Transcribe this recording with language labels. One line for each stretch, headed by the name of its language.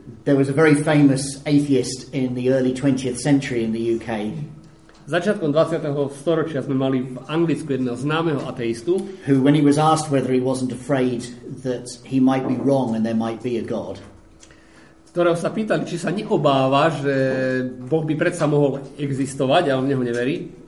English: There was a very famous atheist in the early 20th century in the UK.
Slovak: Začiatkom 20. storočia sme mali v Anglicku jedného známeho ateistu,
English: who when he was asked whether he wasn't afraid that he might be wrong and there might be a God.
Slovak: Ktorého sa pýtali, či sa neobáva, že Boh by predsa mohol existovať, a on v neho neverí.